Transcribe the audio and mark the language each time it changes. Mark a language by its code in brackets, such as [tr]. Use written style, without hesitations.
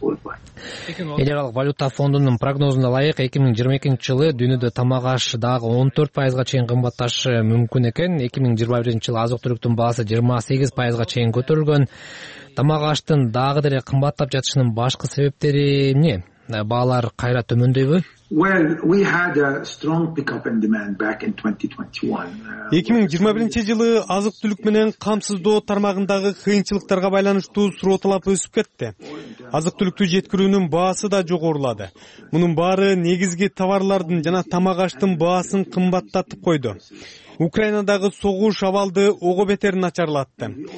[ky] Элдик валюта фондунун прогнозуна ылайык 2022 жылы дүйнөдө тамак аш дагы 14%га чейин кымбатташы мүмкүн экен. 2021 жылы азык түлүктүн баасы 28%га чейин көтөрүлгөн. Тамак аштын дагы деле кымбаттап жатышынын башкы себептери эмне? Баалар кайра төмөндөйбү? [en] Well, we had a strong pickup in demand back in 2021. [ky] 2021 жылы азык-түлүк менен камсыздоо тармагындагы кыйынчылыктарга байланыштуу суроо талап өсүп кетти. Азык-түлүктү жеткирүүнүн баасы да жогорулады. Мунун баары негизги товарлардын жана тамак аштын баасын кымбаттатып койду. Украинадагы согуш абалды ого бетер начарлатты.